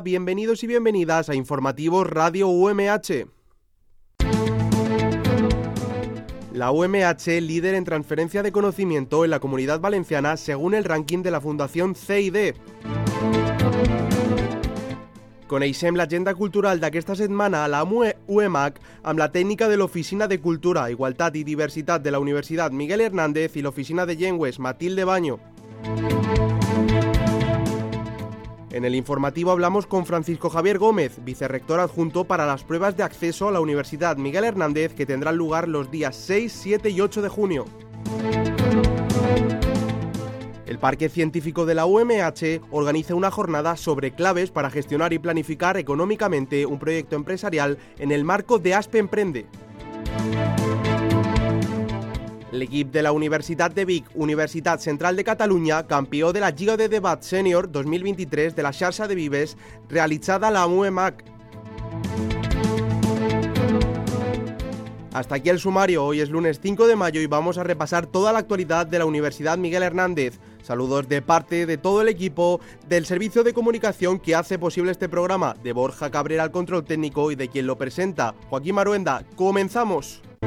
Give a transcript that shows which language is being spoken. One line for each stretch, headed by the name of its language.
Spanish: Bienvenidos y bienvenidas a Informativos Radio UMH. La UMH, líder en transferencia de conocimiento en la Comunidad Valenciana, según el ranking de la Fundación CID.
Catalan: Coneixem l'agenda cultural d'aquesta setmana a la UEMAC amb la tècnica de l'Oficina de Cultura, Igualtat i Diversitat de la Universitat Miguel Hernández i l'Oficina de Llengües Matilde Baño.
Spanish: En el informativo hablamos con Francisco Javier Gómez, vicerrector adjunto para las pruebas de acceso a la Universidad Miguel Hernández, que tendrán lugar los días 6, 7 y 8 de junio. El Parque Científico de la UMH organiza una jornada sobre claves para gestionar y planificar económicamente un proyecto empresarial en el marco de Aspe Emprende.
Catalan: L'equip de la Universitat de Vic, Universitat Central de Catalunya, campió de la Lliga de Debat Sènior 2023 de la xarxa de Vives, realitzada a la UMH.
Spanish: Hasta aquí el sumario. Hoy es lunes 5 de mayo y vamos a repasar toda la actualidad de la Universidad Miguel Hernández. Saludos de parte de todo el equipo del servicio de comunicación que hace posible este programa, de Borja Cabrera al control técnico y de quien lo presenta, Joaquín Maruenda. ¡Comenzamos!